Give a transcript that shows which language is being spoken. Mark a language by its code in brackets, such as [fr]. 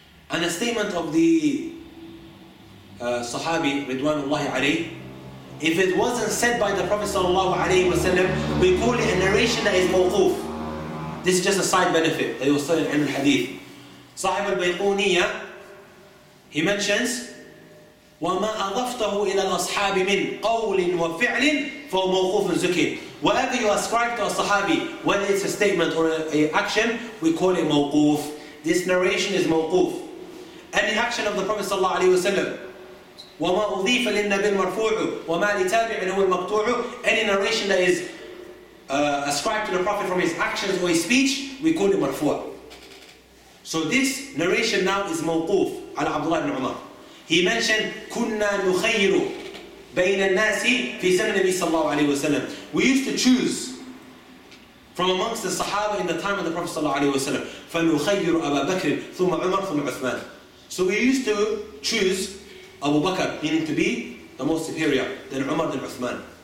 [en] And a statement of the Sahabi, Ridwanullahi alayhi, if it wasn't said by the Prophet sallallahu alayhi wa sallam, we call it a narration that is mawquf. This is just a side benefit that you will study in the hadith. [ar] Sahib al-Bayquniya, [en] he mentions, [ar] وَمَا أَضَفْتَهُ إِلَى الْأَصْحَابِ مِنْ قَوْلٍ وَفِعْلٍ فَمَوْقُوفٌ زُكِيٌّ. [en] Whatever you ascribe to a Sahabi, whether it's a statement or an action, we call it mawquf. This narration is mawquf. Any action of the Prophet صلى الله عليه وسلم. [ar] وَمَا أُضِيفَ لِلنَّبِي الْمَرْفُوعُ وَمَا لِتَابِعٍ هُوَ الْمَقْطُوعُ. [en] Any narration that is ascribed to the Prophet from his actions or his speech, we call it marfu'. So this narration now is mawquf على Abdullah ibn Umar. He mentioned, [ar] كُنَّا نُخَيِّرُ بَيْنَ النَّاسِ فِي زَمْنِ نَبِي صلى الله عليه وسلم. [en] We used to choose from amongst the Sahaba in the time of the Prophet صلى الله عليه وسلم. [ar] فَنُخَيِّرُ أَبَا بَكْرٍ ثُمَّ عُمَرْ ثُمَّ عُثْمَانٍ. [en] So we used to choose Abu Bakr, meaning to be the most superior, then Umar, then Uthman.